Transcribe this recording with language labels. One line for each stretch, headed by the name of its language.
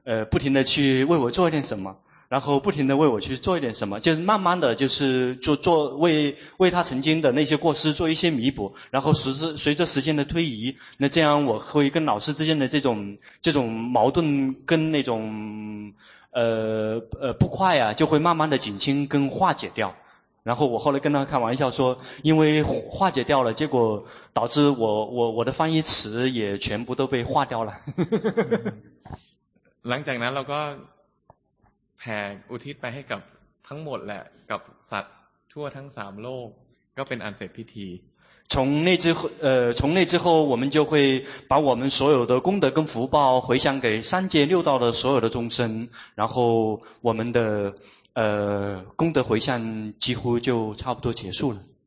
Chinese: 不停的去为我做一点什么，然后不停的为我去做一点什么，就是慢慢的就是做为他曾经的那些过失做一些弥补，然后随着时间的推移，那这样我会跟老师之间的这种矛盾跟那种不快啊，就会慢慢的减轻跟化解掉。然后我后来跟他开玩笑说，因为化解掉了，结果导致我的翻译词也全部都被化掉了。
Thai: หลังจากนั้นเราก็แผ่อุทิศไปให้กับทั้งหมดแหละกับสัตว์ทั่วทั้งสามโลกก็เป็นอันเสร็จพิธี
Chinese: 从那之后我们就会把我们所有的功德跟福报回向给三界六道的所有的众生，然后我们的功德回向几乎就差不多结束了。